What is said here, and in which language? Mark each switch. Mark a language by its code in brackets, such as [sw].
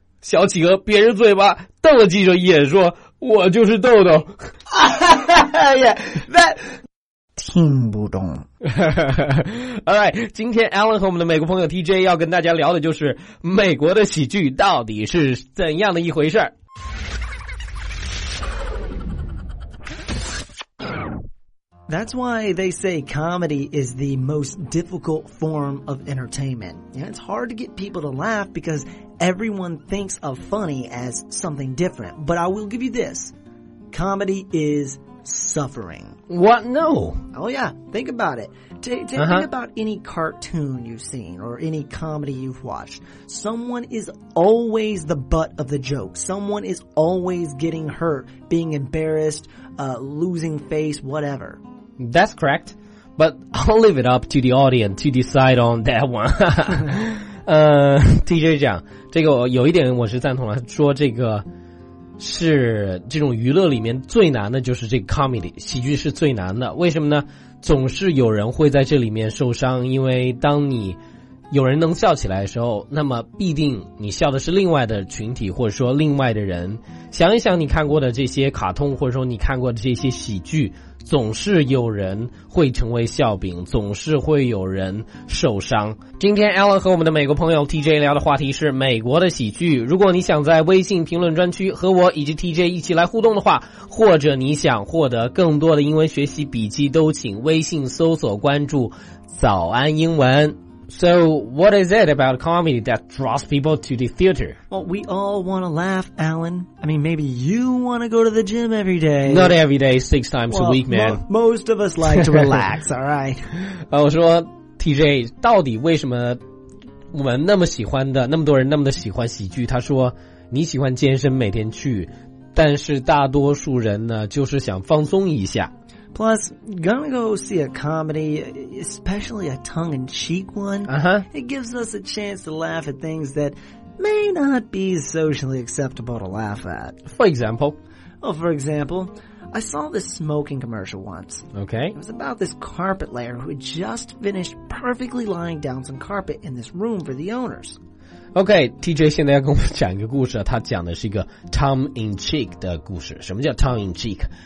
[zh] 小企鹅憋着嘴巴瞪了记者一眼，说，我就是豆豆。听不懂。 Alright, 今天 Alan 和我们的美国朋友 TJ 要跟大家聊的就是美国的喜剧到底是怎样的一回事。 [en] That's why they say comedy is the most difficult form of entertainment. Yeah, it's hard to get people to laugh because everyone thinks of funny as something different. But I will give you this. Comedy is... suffering. What? No. Oh, yeah. Think about it. Think about any cartoon you've seen or any comedy you've watched. Someone is always the butt of the joke. Someone is always getting hurt, being embarrassed, losing face, whatever. That's correct. But I'll leave it up to the audience to decide on that one. [zh] TJ 讲，这个有一点我是赞同了，说这个是这种娱乐里面最难的，就是这个 comedy 喜剧是最难的。为什么呢？总是有人会在这里面受伤，因为当你有人能笑起来的时候，那么必定你笑的是另外的群体，或者说另外的人。想一想你看过的这些卡通，或者说你看过的这些喜剧，总是有人会成为笑柄，总是会有人受伤。今天 Alan 和我们的美国朋友 TJ 聊的话题是美国的喜剧。如果你想在微信评论专区和我以及 TJ 一起来互动的话，或者你想获得更多的英文学习笔记，都请微信搜索关注早安英文。 [en] So, what is it about comedy that draws people to the theater? Well, we all want to laugh, Alan. I mean, maybe you want to go to the gym every day. Not every day, 6 times a week, man. Most of us like to relax, alright? [zh] 我说 TJ, 到底为什么我们那么喜欢的，那么多人那么的喜欢喜剧？他说，你喜欢健身每天去，但是大多数人呢，就是想放松一下。 [en] Plus, gonna go see a comedy, especially a tongue-in-cheek one. Uh-huh. It gives us a chance to laugh at things that may not be socially acceptable to laugh at. For example, I saw this smoking commercial once. Okay. It was about this carpet layer who had just finished perfectly lying down some carpet in this room for the owners. [zh] Okay, TJ 现在要跟我们讲一个故事，他讲的是一个 tongue-in-cheek 的故事。什么叫 tongue-in-cheek?